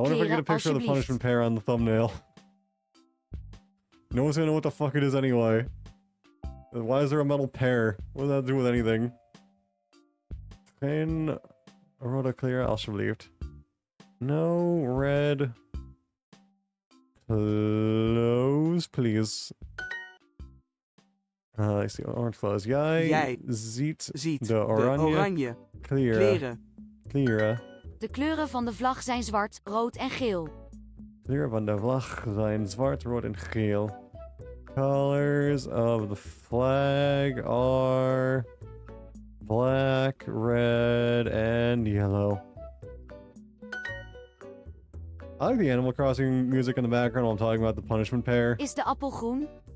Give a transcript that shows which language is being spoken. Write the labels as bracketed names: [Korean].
[English] I wonder if I get a picture of the punishment pair on the thumbnail. No one's gonna know what the fuck it is anyway. Why is there a metal pair? What does that do with anything? [Dutch] Geen rode kleren, alsjeblieft. [English] No red clothes, please. I see orange clothes. [Dutch] Jij ziet de oranje kleren. De kleuren van de vlag zijn zwart, rood en geel. Kleuren van de vlag zijn zwart, rood en geel. [English] colors of the flag are black, red, and yellow. I like the Animal Crossing music in the background while I'm talking about the punishment pear. Is the apple [Dutch] groen?